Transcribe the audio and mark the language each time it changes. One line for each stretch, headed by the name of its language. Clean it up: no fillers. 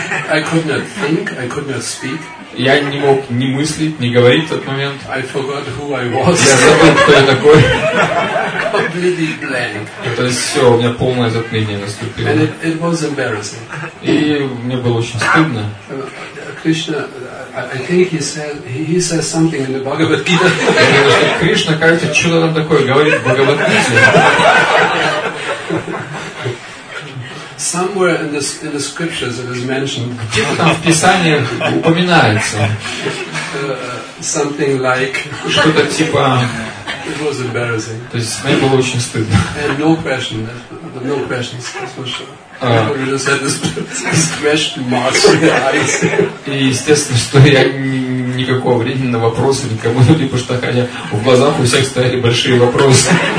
English: I could not think, I could not speak.
Russian: Я не мог ни мыслить, ни говорить в тот момент.
English: I forgot who I was.
Russian: Я забыл, кто я такой.
English: Completely blank.
Russian: То есть все, у меня полное затмение наступило.
English: And it was embarrassing.
Russian: И мне было очень стыдно.
English: Krishna, I think he says something in the Bhagavad Gita.
Russian: Кришна, кажется, что-то там такое говорит в Бхагавад Гите.
English: Somewhere in the scriptures it is mentioned.
Russian: Где-то там в Писании упоминается.
English: Something like.
Russian: Что-то типа.
English: It was embarrassing.
Russian: То есть мне было очень стыдно.
English: And no question, no questions, that's for sure. You just had this question mark in your eyes.
Russian: И естественно, что я никакого времени на вопросы никому не пошёл, хотя в глазах у всех стояли большие вопросы.